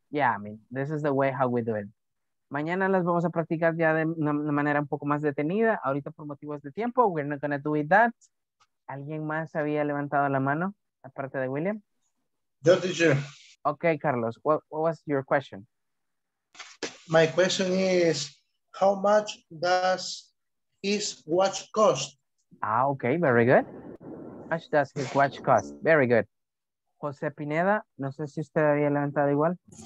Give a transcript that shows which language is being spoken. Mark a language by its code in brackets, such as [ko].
[en] Yeah, I mean, this is the way how we do it. [es] Mañana las vamos a practicar ya de una manera un poco más detenida. Ahorita por motivos de tiempo, [en] we're not going to do it that. [es] ¿Alguien más había levantado la mano, aparte de William? Yo, teacher. [en] Okay, Carlos, what was your question? My question is, how much does his watch cost? Ah, okay, very good. How much does his watch cost? Very good. [es] José Pineda, no sé si usted había levantado igual.